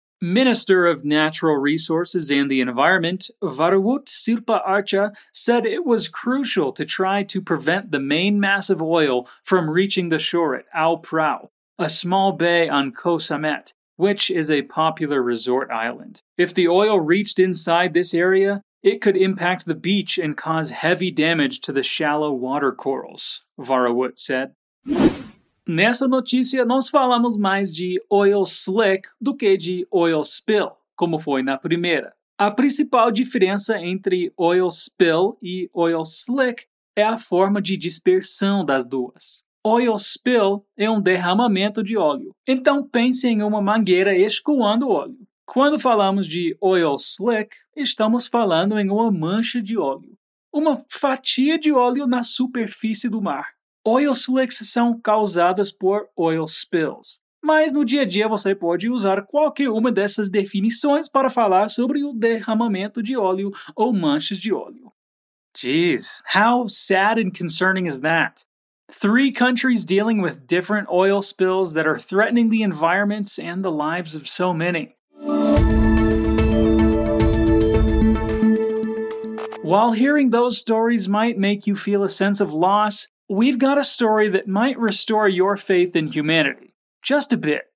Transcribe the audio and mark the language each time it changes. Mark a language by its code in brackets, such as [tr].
[en] Minister of Natural Resources and the Environment, Varawut Sirpa Archa, said it was crucial to try to prevent the main mass of oil from reaching the shore at Ao Prau, a small bay on Koh Samet, which is a popular resort island. If the oil reached inside this area, it could impact the beach and cause heavy damage to the shallow water corals, Varawut said. [pt] Nessa notícia, nós falamos mais de oil slick do que de oil spill, como foi na primeira. A principal diferença entre oil spill e oil slick é a forma de dispersão das duas. Oil spill é derramamento de óleo. Então pense em uma mangueira escoando óleo. Quando falamos de oil slick, estamos falando em uma mancha de óleo. Uma fatia de óleo na superfície do mar. Oil slicks são causadas por oil spills. Mas no dia a dia você pode usar qualquer uma dessas definições para falar sobre o derramamento de óleo ou manchas de óleo. [en] Jeez, how sad and concerning is that? Three countries dealing with different oil spills that are threatening the environment and the lives of so many. While hearing those stories might make you feel a sense of loss, we've got a story that might restore your faith in humanity. Just a bit.